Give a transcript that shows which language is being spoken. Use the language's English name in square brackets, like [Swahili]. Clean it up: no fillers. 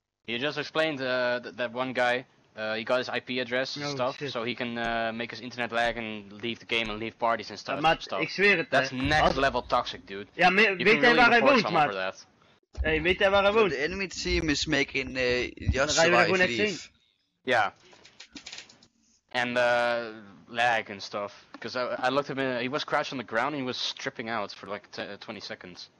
[English] He just explained that one guy, he got his IP-address and stuff, shit. So he can make his internet lag and leave the game and leave parties and stuff. [Dutch] Maar ik zweer het, [English] that's next level toxic, dude. [Dutch] Ja, weet hij waar hij woont, maat? Hey, weet hij waar hij woont? [English] The enemy team is making just survive leave. Next thing. Yeah. And lag and stuff. Because I looked at him, he was crouched on the ground and he was stripping out for like 20 seconds.